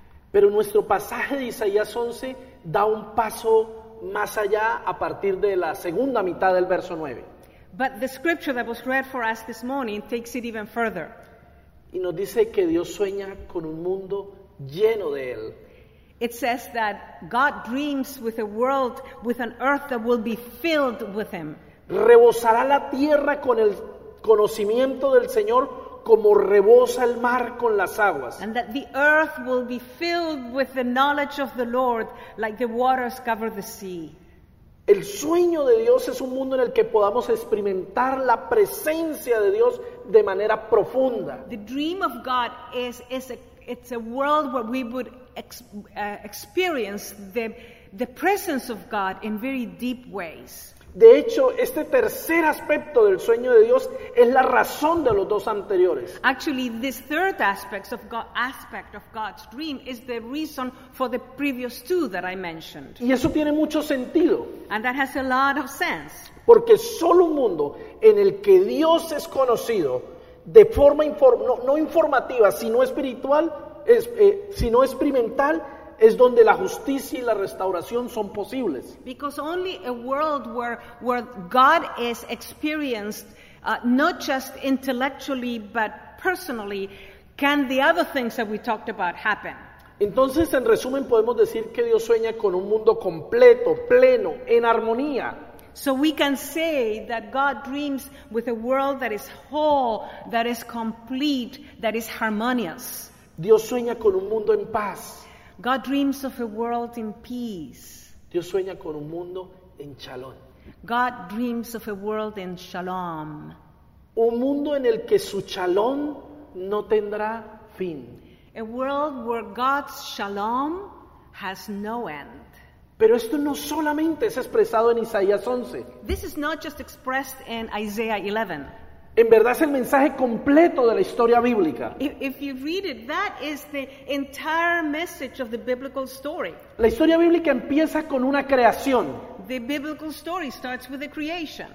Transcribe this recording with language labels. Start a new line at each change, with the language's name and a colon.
Spanish: Pero nuestro pasaje de Isaías 11 da un paso más allá a partir de la segunda mitad del verso 9.
English: But the scripture that was read for us this morning takes it even further.
Spanish: Y nos dice que Dios sueña con un mundo lleno de él.
English: It says that God dreams with a world, with an earth that will be filled with him.
Spanish: Rebosará la tierra con el conocimiento del Señor como rebosa el mar con las aguas.
English: And that the earth will be filled with the knowledge of the Lord like the waters cover the sea.
Spanish: El sueño de Dios es un mundo en el que podamos experimentar la presencia de Dios de manera profunda.
English: The dream of God is a world where we would experience the presence of God in very deep ways.
Spanish: De hecho, este tercer aspecto del sueño de Dios es la razón de los dos anteriores.
English: Actually, this third aspect of God's dream is the reason for the previous two that I mentioned.
Spanish: Y eso tiene mucho sentido.
English: And that has a lot of sense.
Spanish: Porque solo un mundo en el que Dios es conocido de forma no informativa, sino espiritual, sino experimental, es donde la justicia y la restauración son posibles.
English: Because only a world where God is experienced, not just intellectually, but personally, can the other things that we talked about happen.
Spanish: Entonces, en resumen, podemos decir que Dios sueña con un mundo completo, pleno, en armonía.
English: So we can say that God dreams with a world that is whole, that is complete, that is harmonious.
Spanish: Dios sueña con un mundo en paz.
English: God dreams of a world in peace.
Spanish: Dios sueña con un mundo en shalom.
English: God dreams of a world in shalom.
Spanish: Un mundo en el que su shalom no tendrá fin.
English: A world where God's shalom has no end.
Spanish: Pero esto no solamente es expresado en Isaías 11.
English: This is not just expressed in Isaiah 11.
Spanish: En verdad es el mensaje completo de la historia bíblica.
English: If you read it, that is the entire message of the biblical story.
Spanish: La historia bíblica empieza con una creación.
English: The biblical story starts with a creation.